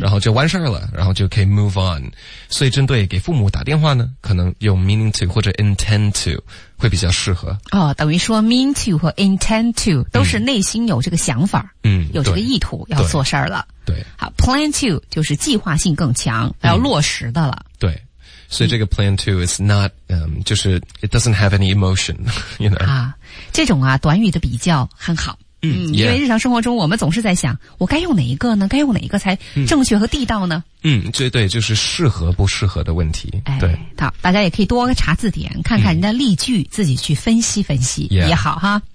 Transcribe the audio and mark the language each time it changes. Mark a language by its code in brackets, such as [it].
[zh] 然后就完事儿了，然后就可以 [en] move on。 [zh] 所以针对给父母打电话呢，可能用 [en] meaning to [zh] 或者 [en] intend to。 [zh] 会比较适合哦，等于说 [en] mean to [zh] 和 [en] intend to [zh] 都是内心有这个想法，嗯，有这个意图要做事儿了，对。好 ， [en] plan to [zh] 就是计划性更强，嗯、要落实的了。对，所以这个 [en] plan to is not [zh] 就是 [en] it doesn't have any emotion， you know [zh] 啊，这种啊短语的比较很好。嗯，因为日常生活中我们总是在想，我该用哪一个呢？该用哪一个才正确和地道呢？嗯，对对，就是适合不适合的问题。哎，对，好，大家也可以多查字典，看看人家例句，自己去分析分析也好哈。